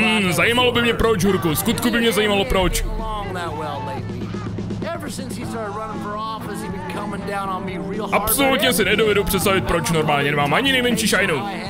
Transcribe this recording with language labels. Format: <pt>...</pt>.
<cs>Zajímalo by mě proč, Hurku, skutku by mě zajímalo proč.</cs> <en>working out well lately. Ever since he started running for office, he's been coming down on me real hard.</en> <cs>Absolutně si nedovedu představit, proč normálně nemám ani nejmenší šajnu.</cs>